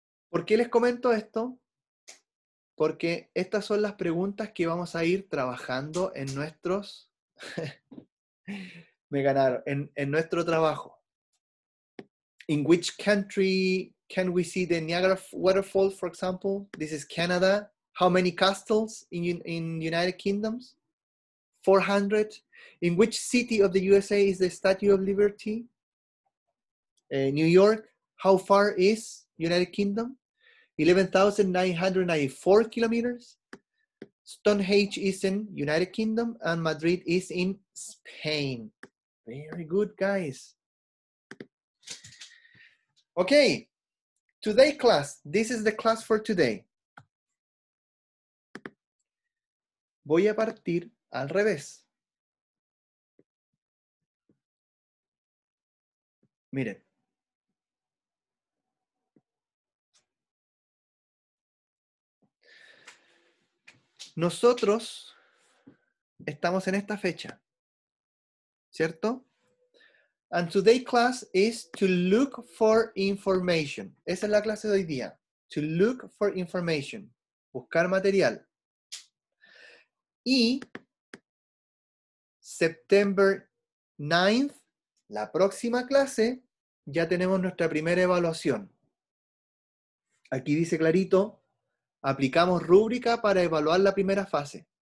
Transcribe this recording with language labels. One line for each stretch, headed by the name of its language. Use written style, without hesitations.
Spanish: ¿Por qué les comento esto? Porque estas son las preguntas que vamos a ir trabajando en nuestros... Me ganaron. En nuestro trabajo.
English: In which country can we see the Niagara Waterfall, for example? This is Canada. How many castles in United Kingdoms? 400. In which city of the USA is the Statue of Liberty? New York. How far is United Kingdom? 11,994 kilometers. Stonehenge is in United Kingdom and Madrid is in Spain. Very good, guys. Okay. Today class. This is the class for today.
Spanish: Voy a partir al revés. Miren. Nosotros estamos en esta fecha, ¿cierto?
English: And today's class is to look for information.
Spanish: Esa es la clase de hoy día.
English: To look for information.
Spanish: Buscar material. Y
English: September 9th,
Spanish: la próxima clase, ya tenemos nuestra primera evaluación. Aquí dice clarito, aplicamos rúbrica para evaluar la primera fase.